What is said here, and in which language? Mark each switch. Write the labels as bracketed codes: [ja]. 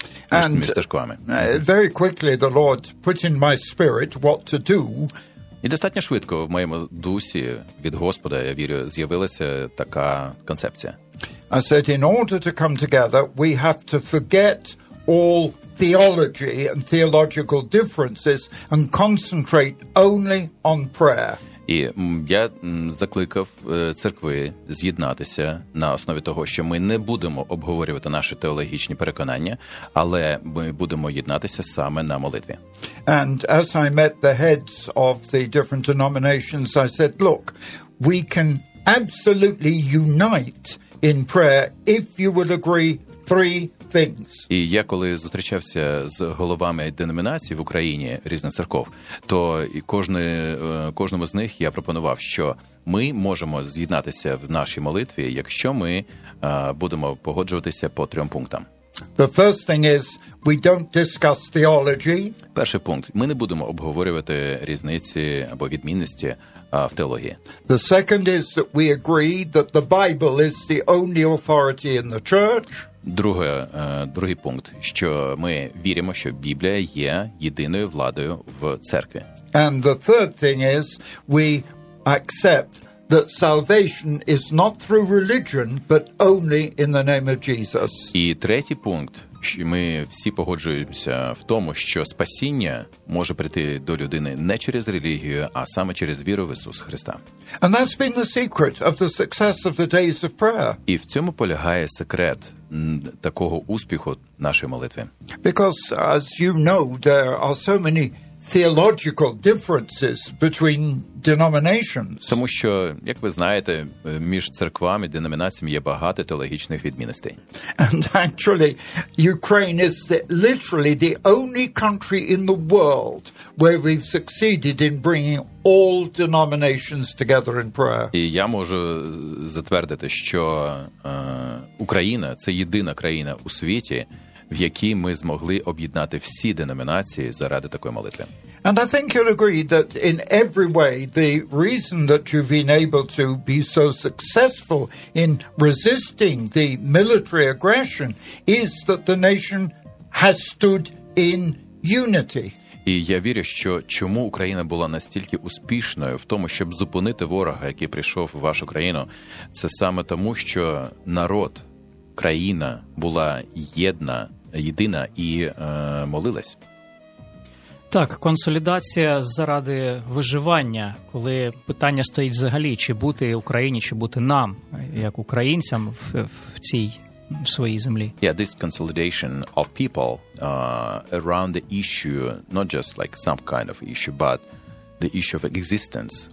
[en] And very quickly the Lord put in my spirit what to do. [uk] І достатньо швидко в моєму дусі від Господа, я вірю, з'явилася така концепція. [en] I said, in order to come together, we have to forget all theology and theological differences and concentrate only on prayer. [uk] І я закликав церкви з'єднатися на основі того, що ми не будемо обговорювати наші теологічні переконання, але ми будемо єднатися саме на молитві. [en] And as I met the heads of the different denominations, I said, look, we can absolutely unite in prayer if you would agree three things. [uk] І я коли зустрічався з головами деномінацій в Україні різних церков, то кожному з них я пропонував, що ми можемо з'єднатися в нашій молитві, якщо ми будемо погоджуватися по трьом пунктам. [en] The first thing is we don't discuss theology. [uk] Перший пункт: ми не будемо обговорювати різниці або відмінності в теології. [en] The second is that we agree that the Bible is the only authority in the church. [uk] Другий пункт, що ми віримо, що Біблія є єдиною владою в церкві. [en] And the third thing is we accept that salvation is not through religion, but only in the name of Jesus. [uk] І третій пункт, що ми всі погоджуємося в тому, що спасіння може прийти до людини не через релігію, а саме через віру в Ісуса Христа. [en] And that's been the secret of the success of the days of prayer. [uk] І в цьому полягає секрет такого успіху нашої молитви. [en] Because, as you know, there are so many theological differences between denominations. [uk] Тому що, як ви знаєте, між церквами, деномінаціями є багато теологічних відмінностей. [en] And actually, Ukraine is literally the only country in the world where we've succeeded in bringing all denominations together in prayer. [uk] І я можу затвердити, що Україна – це єдина країна у світі, в якій ми змогли об'єднати всі деномінації заради такої молитви. [en] And I think you'll agree that in every way the reason that you've been able to be so successful in resisting the military aggression is that the nation has stood in unity. [uk] І я вірю, що чому Україна була настільки успішною в тому, щоб зупинити ворога, який прийшов в вашу країну, це саме тому, що народ, країна була єдна, єдина і молилась. Так, консолідація заради виживання, коли питання стоїть взагалі, чи бути Україні, чи бути нам, як українцям в цій в своїй землі. [en] Yeah, this consolidation of people around the issue, not just like some kind of issue, but the issue of existence.